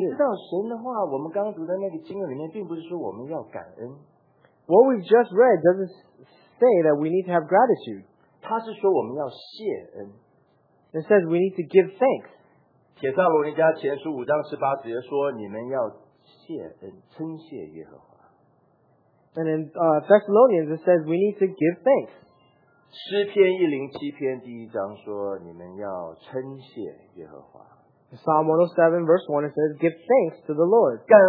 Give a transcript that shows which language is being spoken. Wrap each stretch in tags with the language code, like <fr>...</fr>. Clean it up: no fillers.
<zh>你知道神的话，我们刚读的那个经文里面，并不是说我们要感恩。</zh> <en>What we've just read doesn't say that we need to have gratitude.</en> <zh>他是说我们要谢恩。</zh> <en>It says we need to give thanks.</en> <zh>帖撒罗尼迦前书5章18节说，你们要谢恩，称谢耶和华。</zh> <en>And in Thessalonians it says we need to give thanks.</en> <zh>诗篇107篇第一章说，你们要称谢耶和华。Psalm</zh> <en>107 verse 1 it says, give thanks to the Lord.</en>